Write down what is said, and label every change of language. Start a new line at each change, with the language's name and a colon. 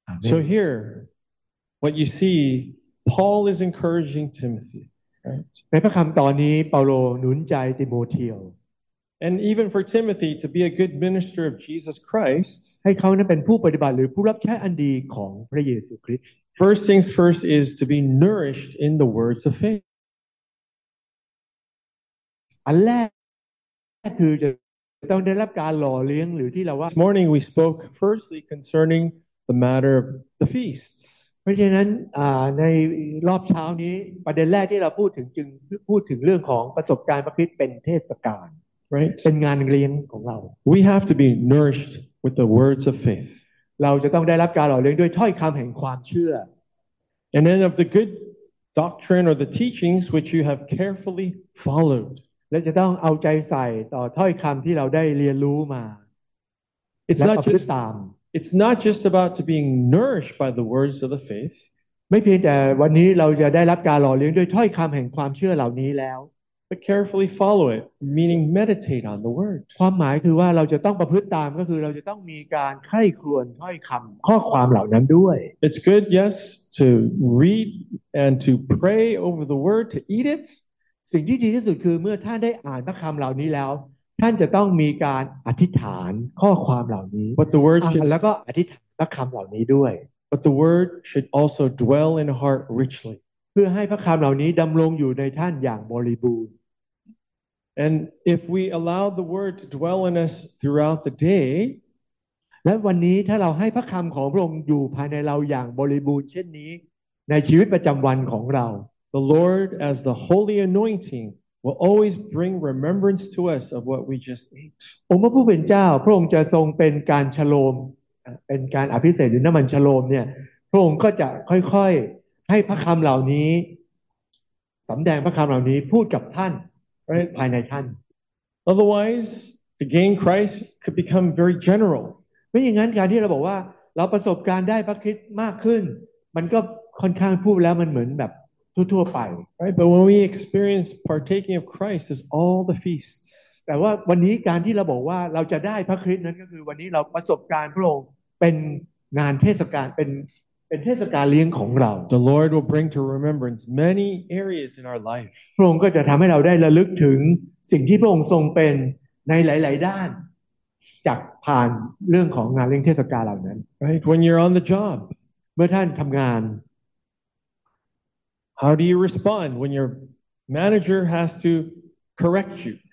English: So here what you see Paul is encouraging Timothy
Thai: ในพระคำตอนนี้เปาโลหนุนใจติโมเธียล
English: And even for Timothy to be a good minister of Jesus Christ
Thai: ให้เขานั้นเป็นผู้ปฏิบัติหรือผู้รับใช้อันดีของพระเยซูคริสต์
English: First things first is to be nourished in the words of faith.
Thai: อันแรกคือจะต้องได้รับการหล่อเลี้ยงหรือที่เราว่า
English: This morning we spoke firstly concerning the matter of the feasts.
Thai: เพราะฉะนั้นในรอบเช้านี้ประเด็นแรกที่เราพูดถึงจึงพูดถึงเรื่องของประสบการณ์พระคริสต์เป็นเทศกาล
English: Right.
Thai: เป็นงานเลี้ยงของเรา
English: We have to be nourished with the words of faith.
Thai: เราจะต้องได้รับการหล่อเลี้ยงด้วยถ้อยคำแห่งความเชื่อ
English: And then of the good doctrine or the teachings which you have carefully followed
Thai: และจะต้องเอาใจใส่ต่อถ้อยคำที่เราได้เรียนรู้มา
English: It's not just
Thai: ตาม
English: It's not just about to being nourished by the words of the faith
Thai: ไม่เพียงแต่วันนี้เราจะได้รับการหล่อเลี้ยงด้วยถ้อยคำแห่งความเชื่อเหล่านี้แล้ว
English: But carefully follow it meaning meditate on the word
Thai: ความหมายคือว่าเราจะต้องประพฤติตามก็คือเราจะต้องมีการใคร่ครวญถ้อยคำข้อความเหล่านั้นด้วย
English: It's good yes to read and to pray over the word to eat it
Thai: สิ่งที่ดีที่สุดคือเมื่อท่านได้อ่านพระคำเหล่านี้แล้วท่านจะต้องมีการอธิษฐานข้อความเหล่านี้
English: But the word should
Thai: แล้วก็อธิษฐานพระคำเหล่านี้ด้วย
English: But the word should also dwell in heart richly
Thai: เพื่อให้พระคำเหล่านี้ดำรงอยู่ในท่านอย่างบริบูรณ์
English: And if we allow the word to dwell in us throughout the day,
Thai: และวันนี้ถ้าเราให้พระคำของพระองค์อยู่ภายในเราอย่างบริบูรณ์เช่นนี้ในชีวิตประจำวันของเรา
English: the Lord as the holy anointing will always bring remembrance to us of what we just ate.
Thai: องค์พระผู้เป็นเจ้าพระองค์จะทรงเป็นการชโลมเป็นการอภิเษกหรือน้ำมันชโลมเนี่ยพระองค์ก็จะค่อยๆให้พระคำเหล่านี้สำแดงพระคำเหล่านี้พูดกับท่าน
English: Right.
Thai: ภายในท่าน
English: Otherwise, to gain Christ could become very general.
Thai: ไม่อย่างนั้นการที่เราบอกว่าเราประสบการณ์ได้พระคริสต์มากขึ้นมันก็ค่อนข้างพูดแล้วมันเหมือนแบบทั่วๆไป
English: Right. But when we experience partaking of Christ is all the feasts.
Thai: แต่ว่าวันนี้การที่เราบอกว่าเราจะได้พระคริสต์นั้นก็คือวันนี้เราประสบการณ์พระองค์ ป็นงานเทศกาลเป็นเทศกาลเลี้ยงของเรา
English: The Lord will bring to remembrance many areas in our life
Thai: พระองค์ก็จะทำให้เราได้ระลึกถึงสิ่งที่พระองค์ทรงเป็นในหลายๆด้านจากผ่านเรื่องของงานเลี้ยงเทศกาลเหล่านั้น
English: Right when you're on the job
Thai: เมื่อท่านทำงาน
English: How do you respond when your manager has to correct you